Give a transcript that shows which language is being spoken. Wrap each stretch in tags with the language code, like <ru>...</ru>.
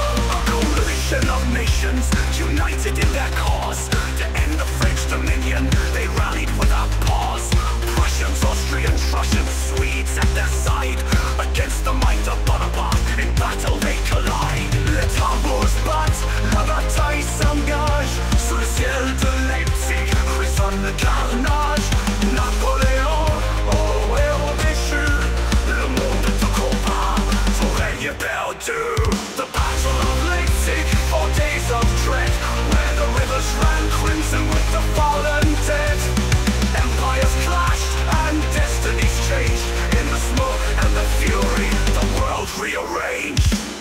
<en>A coalition of nations united in their cause to end the French dominion. They rallied without pause. Prussians, Austrians, Russians, Swedes at their side. Against the might of Bonaparte, in battle they collide.</en> <fr>Les tambours battent, la bataille s'engage. Sous le ciel de Leipzig, résonne le carnage. Napoléon, oh héros déchu. Le monde te combat, ton règne perdu.</fr> <en>The Battle of Leipzig, 4 days of dread, where the rivers ran crimson with the fallen dead. Empires clashed and destinies changed. In the smoke and the fury, the world rearranged.</en>